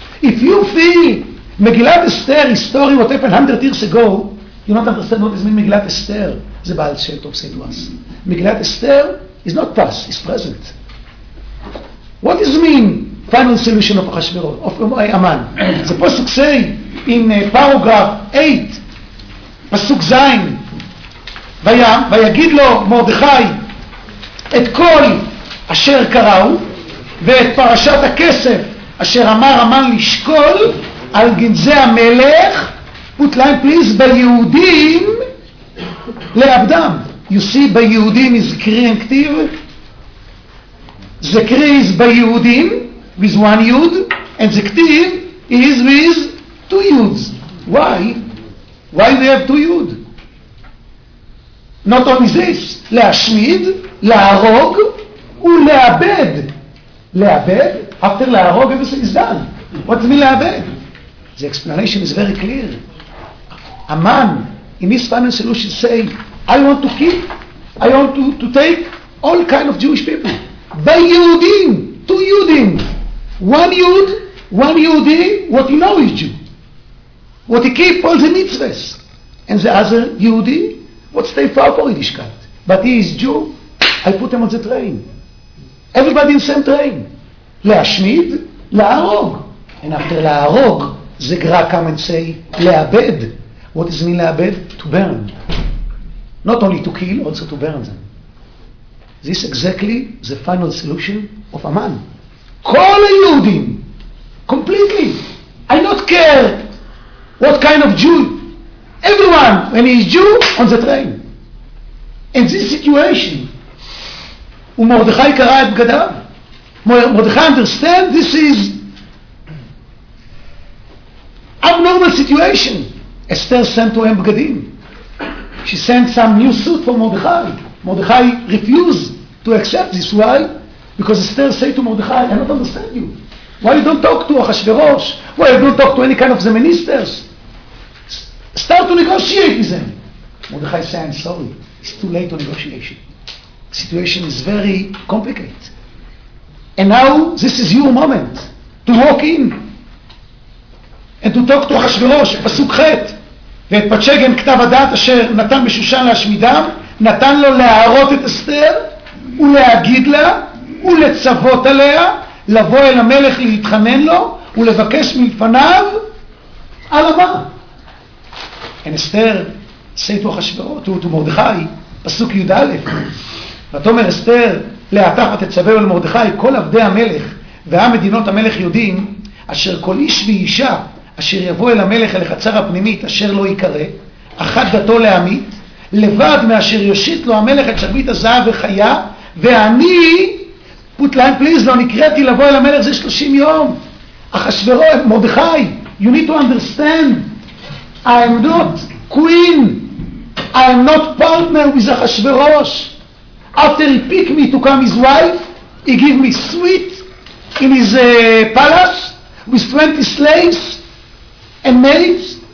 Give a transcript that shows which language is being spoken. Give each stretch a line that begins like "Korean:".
English: If you feel מגילת אסתר, history what happened 100 years ago, you don't understand what is mean מגילת אסתר, זה בעל שם טוב said to us. מגילת אסתר is not past, it's present. What is mean final solution of Ahasuerus, of Haman? The פסוק say in paragraph 8,
Hebrew: פסוק זין, ויגיד לו מרדכי את כל אשר קראו, ואת פרשת הכסף אשר אמר המן לשקול, על גנזי המלך,
English: put line please,
Hebrew: ביהודים לעבדם.
English: You see, ביהודים is קרי and כתיב. The קרי is ביהודים, with one יוד, and the כתיב is with two יודס. Why? Why we have two יוד? Not only this,
Hebrew: להשמיד, להרוג ולאבד.
English: לאבד, after להרוג, everything is done. What do you mean לאבד? The explanation is very clear. A man in his final solution say, I want to keep, I want to take all kind of Jewish people.
Hebrew: ביהודים, two יהודים.
English: One יהוד, one יהודי, what he know is Jew. What he keep all the mitzvahs. And the other יהודי, what stay far for Yiddishkeit. But he is Jew, I put him on the train. Everybody in the same train.
Hebrew: להשמיד, להרוג.
English: And after להרוג, the gra come and say, לאבד. What does it mean לאבד? To burn. Not only to kill, also to burn them. This exactly the final solution of a man.
Hebrew: כל היהודים, completely.
English: I don't care what kind of Jew. Everyone, when he is Jew, on the train. And this situation,
Hebrew: ומרדכי קרא את בגדיו,
English: מרדכי understand, this is abnormal situation. Esther sent to him בגדים. She sent some new suit for מרדכי. מרדכי refused to accept this. Why? Because Esther said to מרדכי, I don't understand you. Why you don't talk to אחשוורוש? Why you don't talk to any kind of the ministers? Start to negotiate with them. מרדכי said, I'm sorry. It's too late on negotiation. The situation is very complicated. And now, this is your moment to walk in and to talk to
Hebrew: אחשוורוש, פסוק ח' ואת פצ'גן כתב הדעת אשר נתן בשושן להשמידם, נתן לו להראות את אסתר ולהגיד לה ולצוות עליה, לבוא אל המלך להתחנן לו ולבקש מלפניו על הבא. And אסתר, say to אחשוורוש, to מרדכי, פסוק י' א', ותאמר אסתר להתך ותצווהו אל מרדכי, כל עבדי המלך והעם מדינות המלך יודעים, אשר כל איש ואישה אשר יבוא אל המלך אל החצר הפנימית אשר לא ייקרא, אחת דתו להמית, לבד מאשר יושיט לו המלך את שרביט הזהב וחיה, ואני,
English: put line please,
Hebrew: לא נקראתי לבוא אל המלך זה 30 יום.
English: אחשוורו, מרדכי, you need to understand, I am not queen, I am not partner with אחשוורוש. After he picked me to come his wife, he gave me sweet in his palace with 20 slaves and maids.